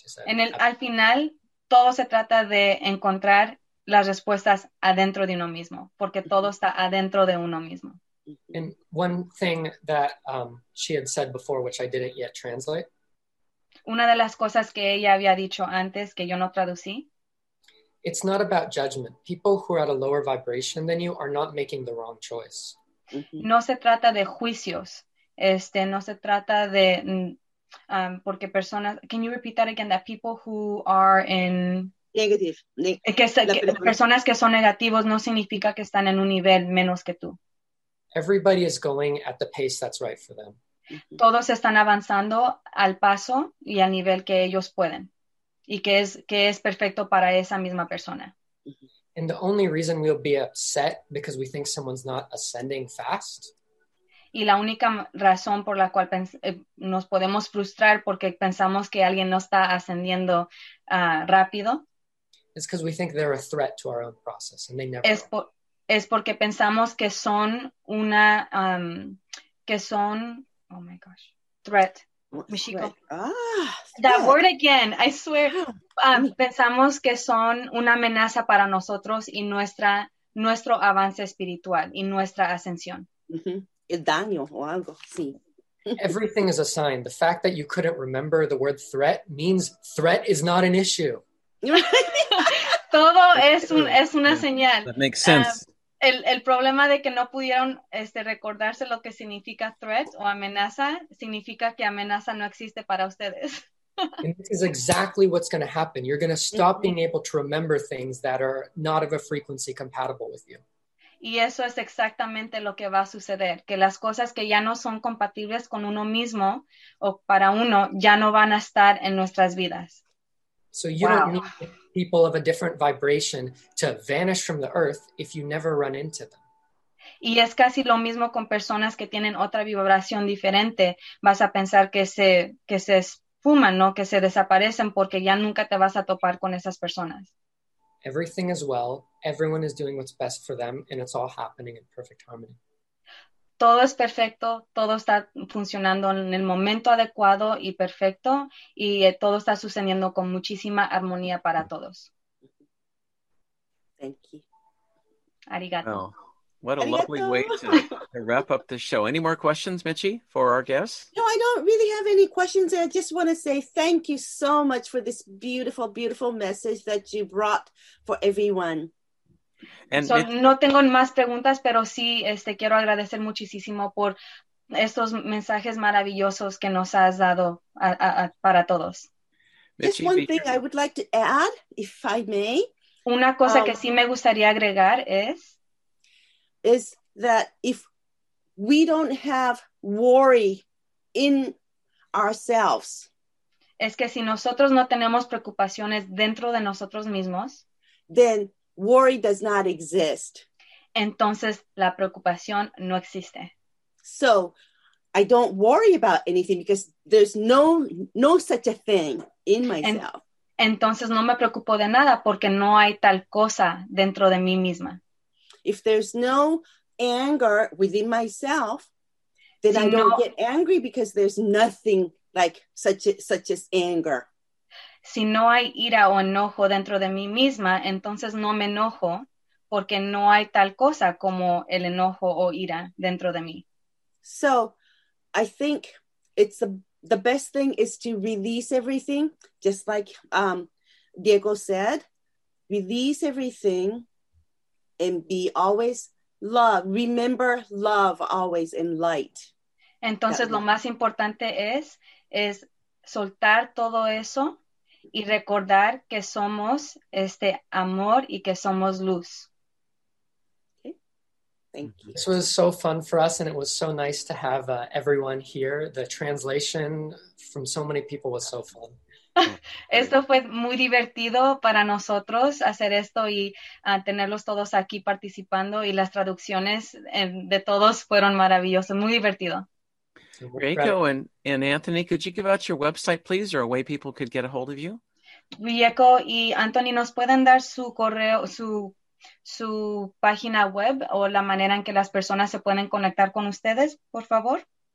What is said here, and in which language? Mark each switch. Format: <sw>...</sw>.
<es>En el, al final, todo se trata de encontrar las respuestas adentro de uno mismo, porque todo está adentro de uno mismo.</es> <en>And one thing that she had said before, which I didn't yet translate.</en> <es>Una de las cosas que ella había dicho antes, que yo no traducí.</es> <en>It's not about judgment. People who are at a lower vibration than you are not making the wrong choice.</en> <es>Mm-hmm. No se trata de juicios. No se trata de porque personas.</es> <en>Can you repeat that again? That people who are in negative.</en> <es>Que personas que son negativos no significa que están en un nivel menos que tú.</es> <en>Everybody is going at the pace that's right for them. Mm-hmm.</en> <es>Todos están avanzando al paso y al nivel que ellos pueden. Y que es perfecto para esa misma persona.</es> <en>And the only reason we'll be upset because we think someone's not ascending fast.</en> <es>Y la única razón por la cual nos podemos frustrar porque pensamos que alguien no está ascendiendo rápido.</es> <en>It's because we think they're a threat to our own process, and they never.</en> <es>Es porque pensamos que son una que son</es> <en>oh my gosh threat. Michiko. That word again, I swear.</en> <es>Pensamos que son una amenaza para nosotros y nuestro avance espiritual y nuestra ascensión. Mm-hmm. El daño o algo, sí.</es> <en>Everything is a sign. The fact that you couldn't remember the word threat means threat is not an issue.</en> <es>Todo es una señal.</es> <en>That makes sense.</en> <es>El problema de que no pudieron recordarse lo que significa threat o amenaza, significa que amenaza no existe para ustedes.</es> <en>And this is exactly what's going to happen. You're going to stop mm-hmm. being able to remember things that are not of a frequency compatible with you.</en> <es>Y eso es exactamente lo que va a suceder, que las cosas que ya no son compatibles con uno mismo o para uno, ya no van a estar en nuestras vidas.</es> <en>So you wow. don't need people of a different vibration to vanish from the earth if you never run into them.</en> <es>Y es casi lo mismo con personas que tienen otra vibración diferente. Vas a pensar que se esfuman, ¿no? Que se desaparecen porque ya nunca te vas a topar con esas personas.</es> <en>Everything is well. Everyone is doing what's best for them, and it's all happening in perfect harmony.</en> <es>Todo es perfecto, todo está funcionando en el momento adecuado y perfecto, y todo está sucediendo con muchísima armonía para todos.</es> <en>Thank you.</en> <ja>Arigato.</ja> <en>Oh, what a Arigato. Lovely way to wrap up the show. Any more questions, Michi, for our guests? No, I don't really have any questions. I just want to say thank you so much for this beautiful, beautiful message that you brought for everyone. And so,</en> <es>no tengo más preguntas, pero sí quiero agradecer muchísimo por estos mensajes maravillosos que nos has dado para todos.</es> <en>Just one thing I would like to add, if I may.</en> <es>Una cosa que sí me gustaría agregar es</es> <en>that if we don't have worry in ourselves,</en> <es>es que si nosotros no tenemos preocupaciones dentro de nosotros mismos,</es> <en>then worry does not exist.</en> <es>Entonces, la preocupación no existe.</es> <en>So, I don't worry about anything because there's no such a thing in myself.</en> <es>Entonces, no me preocupo de nada porque no hay tal cosa dentro de mí misma.</es> <en>If there's no anger within myself, then I don't get angry because there's nothing like such as anger.</en> <es>Si no hay ira o enojo dentro de mí misma, entonces no me enojo porque no hay tal cosa como el enojo o ira dentro de mí.</es> <en>So, I think it's the best thing is to release everything, just like Diego said, release everything and be always love, remember love always in light.</en> <es>Entonces lo más importante es soltar todo eso y recordar que somos este amor y que somos luz.</es> <en>Thank you. This was so fun for us, and it was so nice to have everyone here. The translation from so many people was so fun.</en> <es>Esto fue muy divertido para nosotros hacer esto y tenerlos todos aquí participando, y las traducciones de todos fueron maravillosas. Muy divertido.</es> <en>Rieko and Anthony, could you give out your website, please, or a way people could get a hold of you?</en> <es>Rieko y Anthony, ¿nos pueden dar su correo, su página web o la manera en que las personas se pueden conectar con ustedes, por favor?</es>